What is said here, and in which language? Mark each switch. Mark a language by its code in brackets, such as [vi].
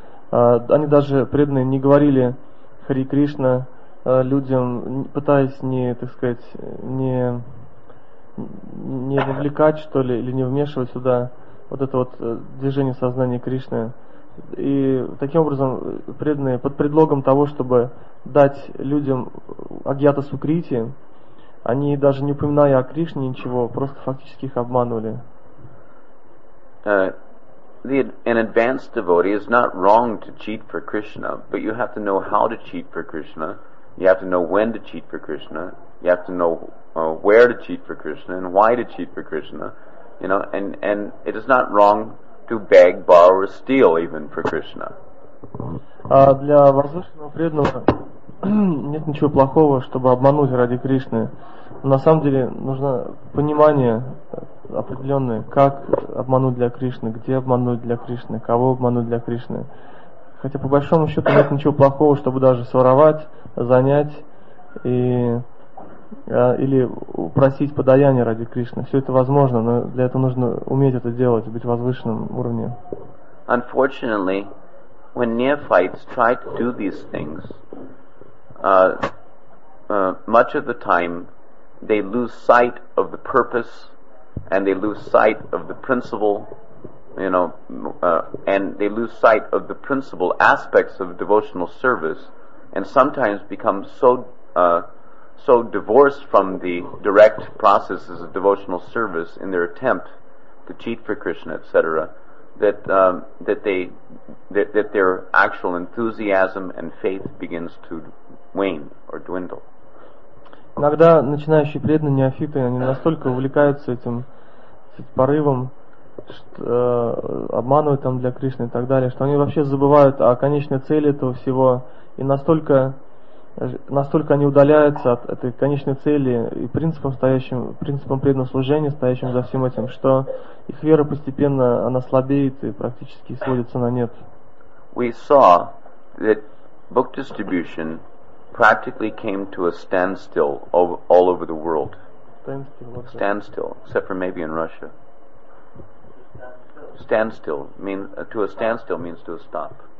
[ru] Они даже, преданные, не говорили Хари Кришна людям, пытаясь не вовлекать, что ли, или не вмешивать сюда вот это вот движение сознания Кришны. И таким образом, преданные, под предлогом того, чтобы дать людям агьята сукрити, они даже не упоминая о Кришне ничего, просто фактически их обманывали. [en] An advanced devotee is not wrong to cheat for Krishna, but you have to know how to cheat for Krishna, you have to know when to cheat for Krishna, you have to know where to cheat for Krishna, and why to cheat for Krishna, you know, and it is not wrong to beg, borrow, or steal even for Krishna. [ru] Для возвышенного преданного нет ничего плохого, чтобы обмануть ради Кришны. На самом деле нужно понимание определенное, как обмануть для Кришны, где обмануть для Кришны, кого обмануть для Кришны. Хотя по большому счету нет ничего плохого, чтобы даже своровать, занять или просить подаяние ради Кришны. Все это возможно, но для этого нужно уметь это делать, быть в возвышенном уровне. [en] Unfortunately, when neophytes try to do these things, much of the time they lose sight of the purpose and they lose sight of the principle, you know, and they lose sight of the principal aspects of devotional service, and sometimes become so so divorced from the direct processes of devotional service in their attempt to cheat for Krishna, etc., that their actual enthusiasm and faith begins to wane or dwindle. [ru] Иногда начинающие преданные неофиты, они настолько увлекаются этим порывом, что обманывают там для Кришны и так далее, что они вообще забывают о конечной цели этого всего, и настолько они удаляются от этой конечной цели и принципам преданного служения, стоящим за всем этим, что их вера постепенно она слабеет и практически сводится на нет. [en] We saw that book distribution practically came to a standstill all over the world. Standstill, except for maybe in Russia. Standstill means to a standstill means to a stop.